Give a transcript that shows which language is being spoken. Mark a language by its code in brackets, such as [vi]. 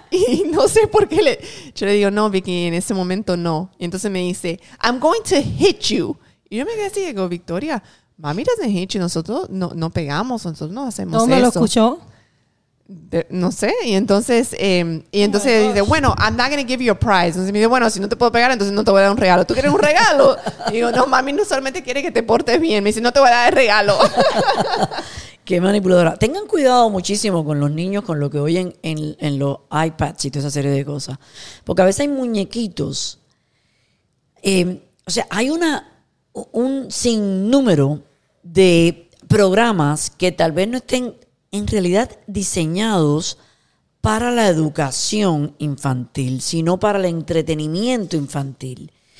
[es] Y no sé por qué yo le digo, no, Vicky, en ese momento no. Y entonces me dice, [en] I'm going to hit you. [es] Y yo me quedé así, digo, Victoria, [en] mami doesn't hit you. [es] Nosotros no pegamos, nosotros no hacemos eso. ¿Dónde lo escuchó? No sé. Y entonces, oh, dice, bueno, [en] I'm not going to give you a prize. [es] Entonces me dice, bueno, si no te puedo pegar, entonces no te voy a dar un regalo. ¿Tú quieres un regalo? Y digo, no, mami no solamente quiere que te portes bien. Me dice, no te voy a dar el regalo. Qué manipuladora. Tengan cuidado muchísimo con los niños, con lo que oyen en los iPads y toda esa serie de cosas. Porque a veces hay muñequitos. O sea, hay un sinnúmero de programas que tal vez no estén en realidad diseñados para la educación infantil, sino para el entretenimiento infantil.